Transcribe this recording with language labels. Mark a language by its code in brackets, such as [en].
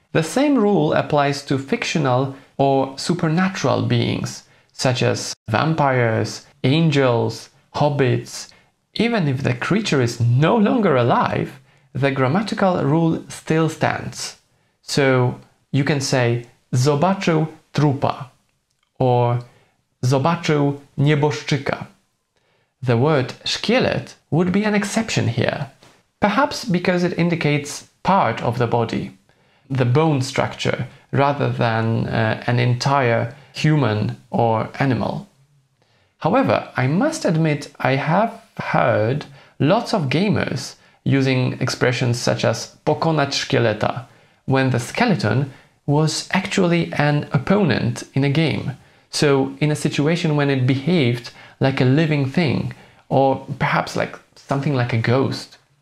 [en] The same rule applies to fictional or supernatural beings, such as vampires, angels, hobbits. Even if the creature is no longer alive, the grammatical rule still stands. So you can say [pl] zobaczył trupa, [en] or [pl] zobaczył nieboszczyka. [en] The word szkielet would be an exception here, perhaps because it indicates part of the body, the bone structure, rather than an entire human or animal. However, I must admit I have heard lots of gamers using expressions such as [pl] pokonać szkieleta, [en] when the skeleton was actually an opponent in a game, so in a situation when it behaved like a living thing, or perhaps like something like a ghost.